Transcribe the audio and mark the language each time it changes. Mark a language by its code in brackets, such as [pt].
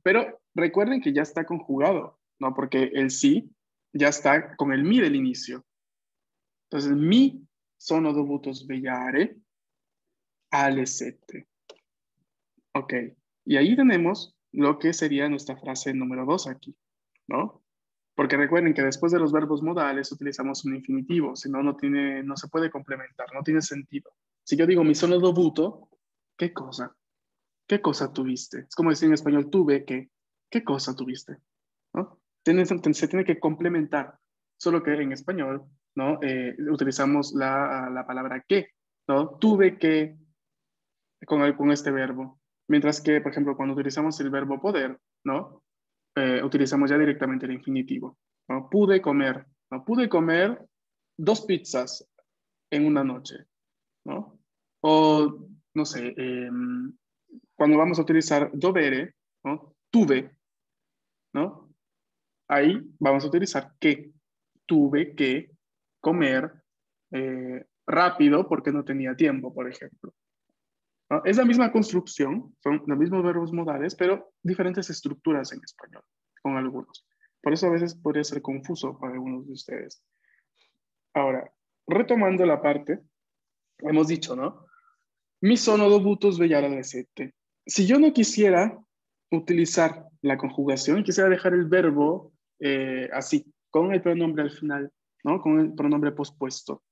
[es] Pero recuerden que ya está conjugado, ¿no? Porque el sí ya está con el mi del inicio. [it] Entonces, mi sono dovuto svegliare alle sette. Ok. [es] Y ahí tenemos lo que sería nuestra frase número 2 aquí, ¿no? Porque recuerden que después de los verbos modales utilizamos un infinitivo, si no, no tiene, no se puede complementar, no tiene sentido. Si yo digo [it] mi sono dovuto, [es] ¿qué cosa? ¿Qué cosa tuviste? Es como decir en español, tuve que, ¿qué cosa tuviste? ¿No? Se tiene que complementar, solo que en español, ¿no? Utilizamos la palabra que, ¿no? Tuve que con este verbo. Mientras que, por ejemplo, cuando utilizamos el verbo poder, ¿no? Utilizamos ya directamente el infinitivo, ¿no? Pude comer, ¿no? Pude comer 2 pizzas en una noche, ¿no? O, no sé, cuando vamos a utilizar dovere, ¿no? Tuve, ¿no? Ahí vamos a utilizar que. Tuve que comer rápido porque no tenía tiempo, por ejemplo. ¿No? Es la misma construcción, son los mismos verbos modales, pero diferentes estructuras en español con algunos. Por eso a veces podría ser confuso para algunos de ustedes. Ahora, retomando la parte, hemos dicho, ¿no? [it] Mi sono dovuto svegliare alle sette. [es] Si yo no quisiera utilizar la conjugación, quisiera dejar el verbo así, con el pronombre al final, ¿no? Con el pronombre pospuesto.